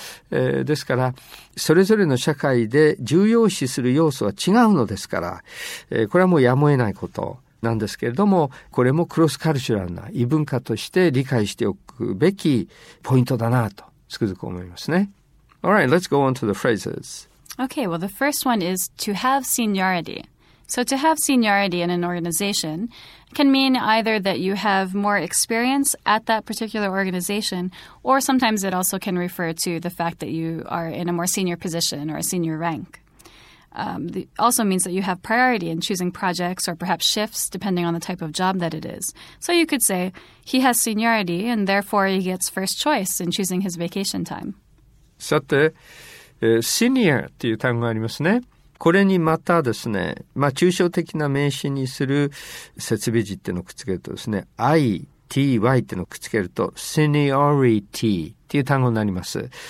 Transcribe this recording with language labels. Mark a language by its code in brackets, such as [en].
[ja] ですから、それぞれの社会で重要視する要素は違うのですから、これはもうやむを得ないことなんですけれども、これもクロスカルチュラルな異文化として理解しておくべきポイントだなとつくづく思いますね。 [en] All right, let's go on to the phrases. Okay, well, the first one is to have seniority. So to have seniority in an organization can mean either that you have more experience at that particular organization, or sometimes it also can refer to the fact that you are in a more senior position or a senior rank. Also means that you have priority in choosing projects or perhaps shifts depending on the type of job that it is. So you could say, he has seniority and therefore he gets first choice in choosing his vacation time. [ja] さて、senior という単語がありますね。これにまたですね、まあ抽象的な名詞にする設備字っていうのをくっつけるとですね、ity っていうのをくっつけると、seniority っていう単語になります。